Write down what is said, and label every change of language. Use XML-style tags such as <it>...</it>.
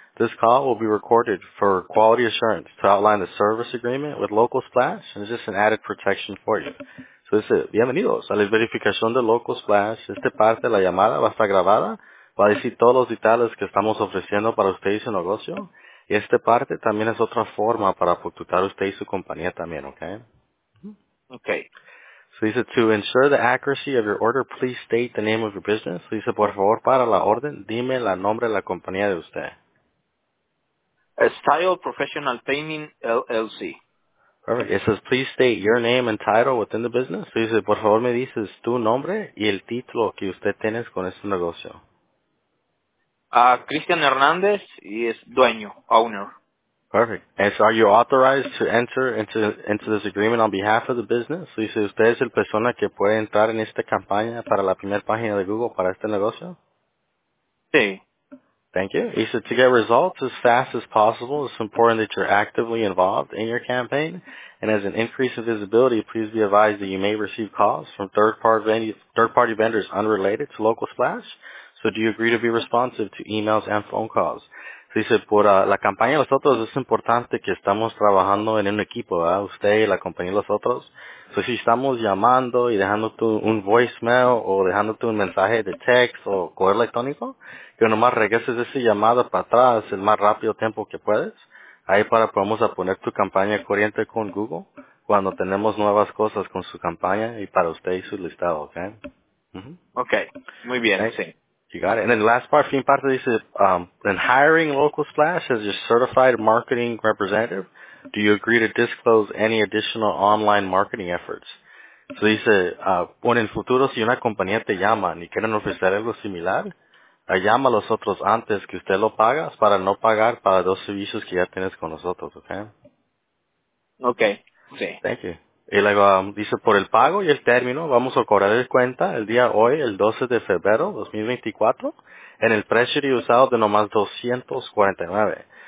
<en>This call will be recorded for quality assurance to outline the service agreement with Local Splash. And it's just an added protection for you. So he said,</en> <es>bienvenidos a la verificación de Local Splash. Esta parte de la llamada va a estar grabada. Va a decir todos los detalles que estamos ofreciendo para usted y su negocio. Y esta parte también es otra forma para facturar usted y su compañía también, ¿ok? Ok.</es> <en>So dice, to ensure the accuracy of your order, please state the name of your business.</en> <es>So dice, por favor, para la orden, dime el nombre de la compañía de usted.</es> <en>Style Professional Painting LLC. Perfect. It says, please state your name and title within the business.</en> <es>So dice, por favor, me dices tu nombre y el título que usted tiene con este negocio. Cristian Hernández y es dueño, owner.</es> <en>Perfect. And so are you authorized to enter into this agreement on behalf of the business?</en> <es>So dice, ¿usted es el persona que puede entrar en esta campaña para la primera página de Google para este negocio? Sí.</es> <en>Thank you. He said, to get results as fast as possible, it's important that you're actively involved in your campaign. And as an increase in visibility, please be advised that you may receive calls from third-party vendors unrelated to Local Splash. So do you agree to be responsive to emails and phone calls?</en> <es>So dice, por la campaña de los otros, es importante que estamos trabajando en un equipo, ¿verdad? Usted y la compañía de los otros. So si estamos llamando y dejándote un voicemail o dejándote un mensaje de text o correo electrónico, que nomás regreses esa llamada para atrás el más rápido tiempo que puedes. Ahí para podemos poner tu campaña corriente con Google cuando tenemos nuevas cosas con su campaña y para usted y su listado, ¿ok? Mm-hmm. Okay, muy bien, okay. Sí.</es> <en>You got it. And then the last part,</en> <es>fin parte, dice,</es> <en>in hiring Local Splash as your certified marketing representative, do you agree to disclose any additional online marketing efforts?</en> <es>So dice, bueno, en futuro, si una compañía te llama y quieren ofrecer algo similar, llama a los otros antes que usted lo pagas para no pagar para dos servicios que ya tienes con nosotros, okay? Okay, sí.</es> <en>Thank you.</en> <es>Él dice, por el pago y el término, vamos a cobrar el cuenta el día hoy, el 12 de febrero 2024, en el Treasury usado de nomás 249.</es>